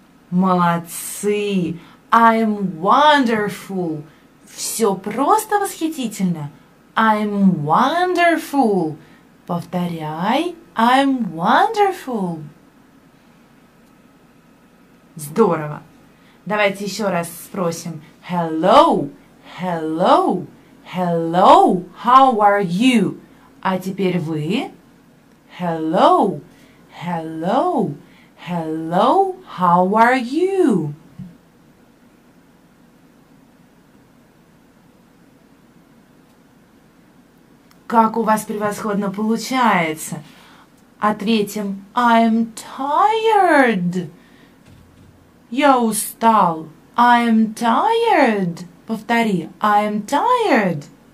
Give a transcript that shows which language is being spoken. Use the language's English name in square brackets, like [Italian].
[Russian] Молодцы. [English] I'm wonderful. [Russian] Все просто восхитительно. [English] I'm wonderful. [Russian] Повторяй. [English] I'm wonderful. [Russian] Здорово. Давайте еще раз спросим. [English] Hello, hello, hello, how are you? [Russian] А теперь вы... [English] Hello, hello, hello, how are you? [Russian] Как у вас превосходно получается? Ответим, [English] I'm tired. [Russian] Я устал. [English] I'm tired. [Russian] Повтори, [English] I'm tired.